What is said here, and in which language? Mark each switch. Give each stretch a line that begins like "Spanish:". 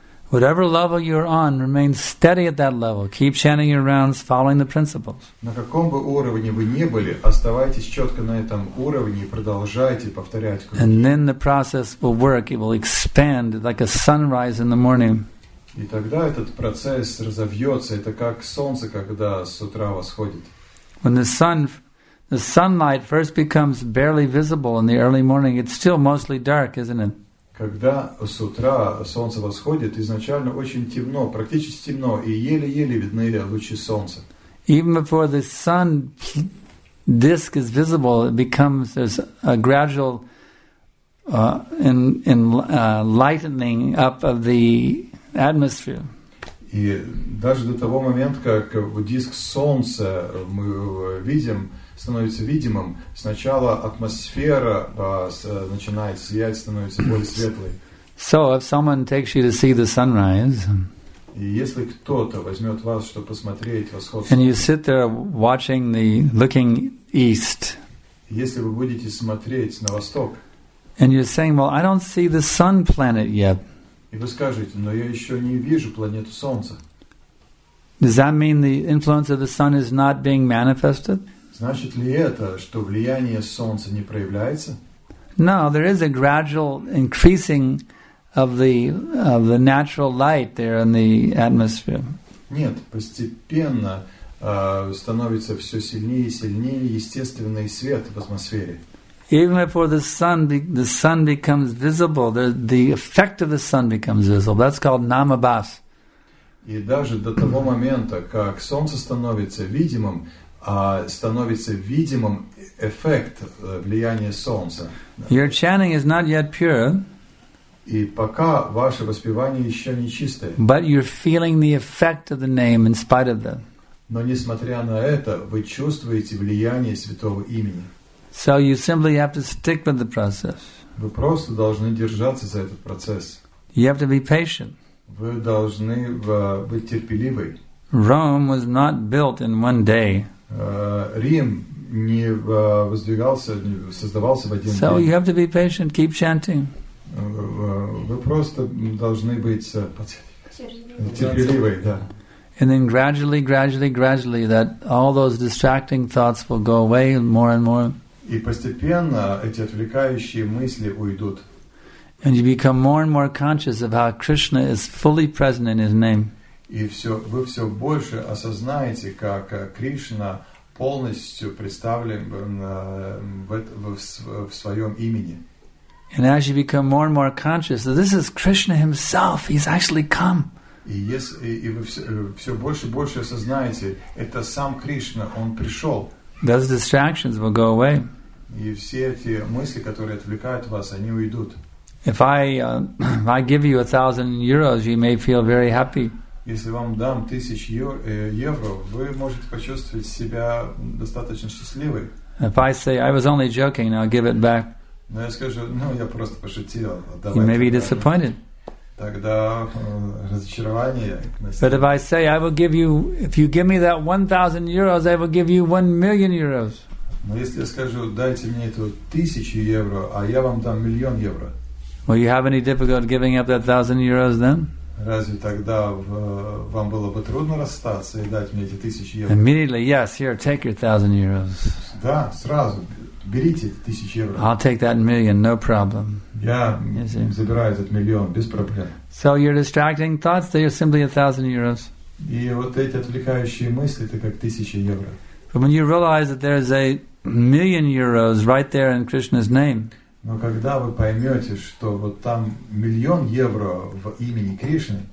English: Whatever level you're on, remain steady at that level. Keep chanting your rounds, following the principles.
Russian: На каком бы уровне вы ни были, оставайтесь четко на этом уровне и продолжайте повторять.
English: And then the process will work. It will expand like a sunrise in the morning.
Russian: И тогда этот процесс разовьется. Это как солнце, когда с утра восходит.
English: When the sunlight first becomes barely visible in the early morning, it's still mostly dark, isn't it?
Russian: Когда с утра солнце восходит, изначально очень темно, практически темно, и еле-еле видны лучи солнца.
English: Even before the sun disk is visible, it becomes there's a gradual lightening up of the atmosphere.
Russian: И даже до того момента, как диск солнца мы видим, становится видимым, сначала атмосфера начинает сиять, становится более светлой.
English: So if someone takes you to see the sunrise,
Russian: и если кто-то возьмет вас, чтобы посмотреть восход солнца,
English: and you sit there watching the looking east,
Russian: если вы будете смотреть на восток,
English: and you're saying, well, I don't see the sun planet yet,
Russian: и вы скажете, но я еще не вижу планету солнца,
English: does that mean the influence of the sun is not being manifested?
Russian: Значит ли это, что влияние солнца не проявляется?
English: No, there is a gradual increasing of the natural light there in the atmosphere.
Russian: Нет, постепенно становится все сильнее и сильнее естественный свет в атмосфере.
English: Even before the sun becomes visible, the effect of the sun becomes visible. That's called namabhas.
Russian: И даже до того момента, как солнце становится видимым, становится видимым эффект влияния солнца.
English: Your chanting is not yet pure.
Russian: И пока ваше воспевание еще не чистое.
English: But you're feeling the effect of the name in spite of that.
Russian: Но несмотря на это, вы чувствуете влияние святого имени.
English: So you simply have to stick with the process.
Russian: Вы просто должны держаться за этот процесс.
English: You have to be patient.
Russian: Вы должны быть терпеливы.
English: Rome was not built in one day.
Russian: Рим не воздвигался, не создавался в один день.
English: So you have to be patient, keep chanting.
Russian: Вы просто должны быть терпеливы, да.
English: And then gradually that all those distracting thoughts will go away more and more.
Russian: И постепенно эти отвлекающие мысли уйдут.
English: And you become more and more conscious of how Krishna is fully present in his name.
Russian: И вы все больше осознаете, как Кришна полностью представлен в своем имени.
English: And as you become more and more conscious that this is Krishna himself, he's actually come.
Russian: И вы все больше и больше осознаете, это сам Кришна, он пришел.
English: Those distractions will go away.
Russian: И все эти мысли, которые отвлекают вас, они уйдут.
English: If I give you 1,000 euros, you may feel very happy.
Russian: Если вам дам 1,000 евро, вы можете почувствовать себя достаточно счастливой.
English: If I say I was only joking, now give it back.
Russian: Но я скажу, я просто пошутил.
English: You may be disappointed.
Russian: Тогда разочарование.
English: But if I say I will give you, if you give me that 1,000 euros, I will give you 1,000,000 euros.
Russian: Но если я скажу, дайте мне эту 1,000 евро, а я вам дам 1,000,000 евро.
English: Will you have any difficulty giving up that 1,000 euros then?
Russian: Разве тогда вам было бы трудно расстаться и дать мне эти 1,000 евро?
English: Immediately, yes, here, take your 1,000 euros.
Russian: Да, сразу, берите 1,000 евро.
English: I'll take that 1,000,000, no problem.
Russian: Я забираю этот 1,000,000, без проблем.
English: So your distracting thoughts, they are simply 1,000 euros.
Russian: И вот эти отвлекающие мысли, это как 1,000 евро.
English: But when you realize that there is 1,000,000 euros right there in Krishna's name,
Russian: но когда вы поймете, что вот там 1,000,000 евро в имени Кришны,